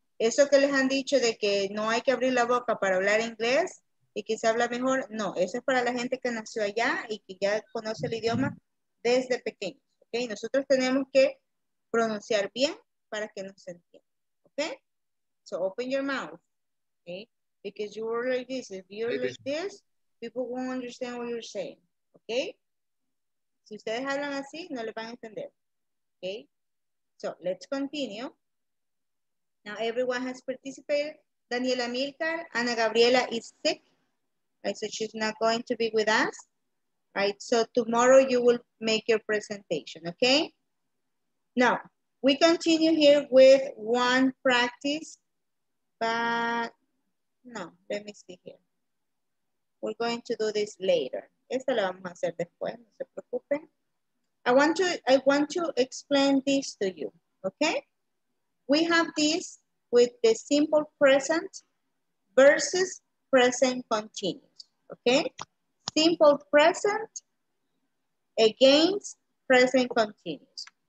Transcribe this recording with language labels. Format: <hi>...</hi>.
<es>Eso que les han dicho de que no hay que abrir la boca para hablar inglés y que se habla mejor, no. Eso es para la gente que nació allá y que ya conoce el idioma desde pequeño, okay? Nosotros tenemos que pronunciar bien para que nos entienda, okay?</es> <en>So open your mouth, okay? Because you are like this, if you're like this, people won't understand what you're saying, okay?</en> <es>Si ustedes hablan así, no le van a entender, okay?</es> <en>So, let's continue. Now, everyone has participated. Daniela Milcar, Ana Gabriela is sick, right? So she's not going to be with us, right? So tomorrow you will make your presentation, okay? Now, we continue here with one practice, but no, let me see here. We're going to do this later.</en> <es>Esta la vamos a hacer después, no se preocupen.</es> <en>I want to explain this to you, okay? We have this with the simple present versus present continuous, okay? Simple present against present continuous.</en>